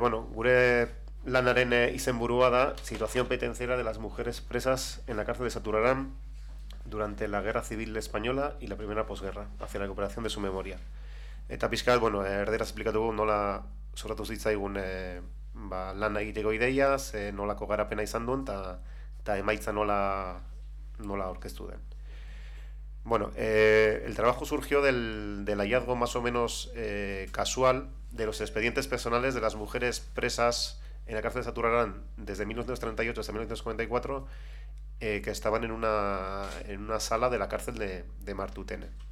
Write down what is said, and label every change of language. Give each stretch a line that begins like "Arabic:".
Basque: Gure lanaren izenburua da
Spanish: situación penitenciaria de las mujeres presas en la cárcel de Saturarán durante la Guerra Civil Española y la Primera Posguerra, hacia la recuperación de su memoria.
Basque: Eta pizkat, bueno, erdera esplikatugu nola sortu zitzaigun lan egiteko ideia, nolako garapena izan duen, eta emaitza nola aurkeztu den.
Spanish: Bueno, el trabajo surgió del hallazgo más o menos casual de los expedientes personales de las mujeres presas en la cárcel de Saturarán desde 1938 hasta 1944, que estaban en una sala de la cárcel de Martutene.